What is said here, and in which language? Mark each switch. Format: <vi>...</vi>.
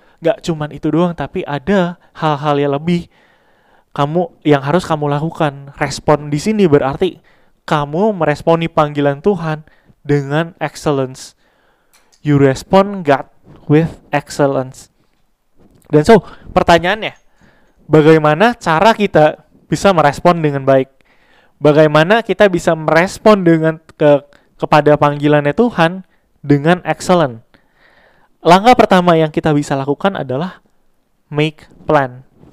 <id>Gak cuman itu doang, tapi ada hal-hal yang lebih kamu yang harus kamu lakukan. Respon di sini berarti kamu meresponi panggilan Tuhan dengan excellence.</id> <en>You respond God with excellence.</en> <id>Dan so, pertanyaannya, bagaimana cara kita bisa merespon dengan baik? Bagaimana kita bisa merespon dengan kepada panggilannya Tuhan dengan excellent? Langkah pertama yang kita bisa lakukan adalah</id> <en>make plan.</en>